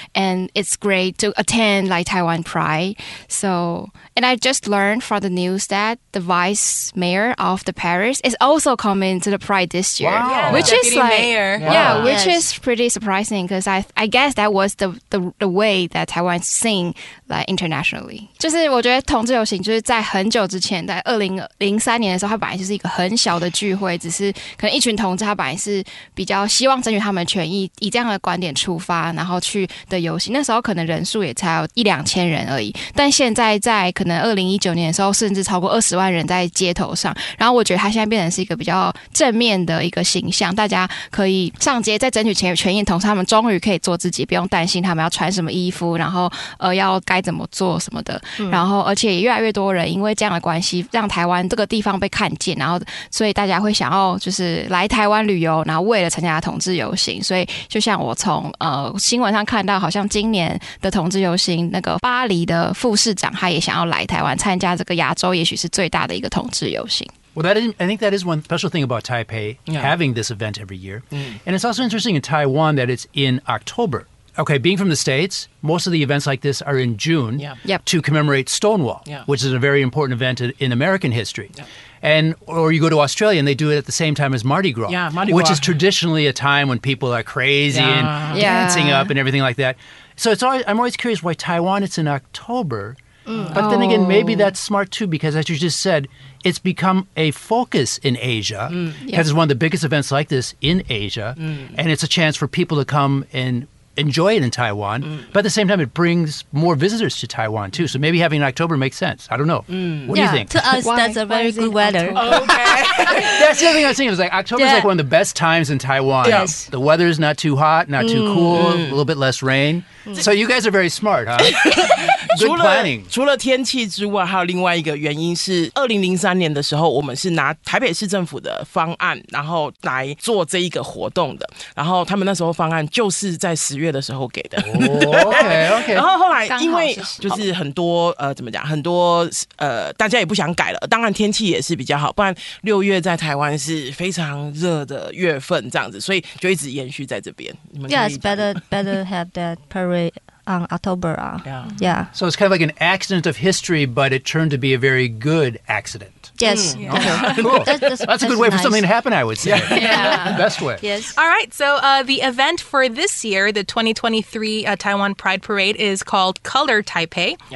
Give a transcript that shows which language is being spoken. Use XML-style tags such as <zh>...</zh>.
<en>And it's great to attend like Taiwan Pride. So, and I just learned from the news that the vice mayor of the Paris is also coming to the Pride this year. Wow. Yeah, which is like, mayor. Is pretty surprising because I guess that was the way that Taiwan is seen like internationally.</en> <zh>就是我觉得同志游行就是在很久之前，在2003年的时候，它本来就是一个很小的聚会，只是可能一群同志，他本来是比较希望争取他们的权益，以这样的观点出发，然后去的游行。那时候可能人数也才有一两千人而已，但现在在可能2019年的时候，甚至超过20万人在街头上。然后我觉得他现在变成是一个比较正面的一个形象，大家可以上街在争取权益的同时，他们终于可以做自己，不用担心他们要穿什么衣服，然后要该怎么做什么的。然后而且也越来越多人因为这样的关系，让台湾这个地方被看见，然后所以大家会想要就是来台湾旅游，然后为了参加同志游行。所以就像我从新闻上看到，好像今年的同志游行，那个巴黎的副市长他也想要来台湾参加这个亚洲也许是最大的一个同志游行。</zh> <en>Well, that is, I think that is one special thing about Taipei having this event every year. And it's also interesting in Taiwan that it's in October. Okay, being from the States, most of the events like this are in June to commemorate Stonewall, which is a very important event in American history. And or you go to Australia and they do it at the same time as Mardi Gras, which is traditionally a time when people are crazy and dancing up and everything like that. So it's always, I'm always curious why Taiwan it's in October. But then again, maybe that's smart too, because as you just said, it's become a focus in Asia, because it's one of the biggest events like this in Asia. And it's a chance for people to come and enjoy it in Taiwan, but at the same time, it brings more visitors to Taiwan too. So maybe having October makes sense. I don't know. What do you think? To us, that's a very good weather. Okay. That's the other thing I was thinking. It was like October is like one of the best times in Taiwan. Yes. The weather is not too hot, not too cool, a little bit less rain. So you guys are very smart, huh? Good planning.</en> <zh>除了天气之外，还有另外一个原因是2003年的时候，我们是拿台北市政府的方案，然后来做这一个活动的。然后他们那时候方案就是在10月的时候给的。</zh> <en>OK.</en> <zh>然后后来因为就是很多怎么讲，很多大家也不想改了。当然天气也是比较好，不然6月在台湾是非常热的月份，这样子，所以就一直延续在这边。</zh> <en>Yes, better have that parade on October. So it's kind of like an accident of history, but it turned to be a very good accident. Yes. That's a good way for something to happen, I would say. Best way. Yes. All right. So the event for this year, the 2023 Taiwan Pride Parade, is called Color Taipei.</en>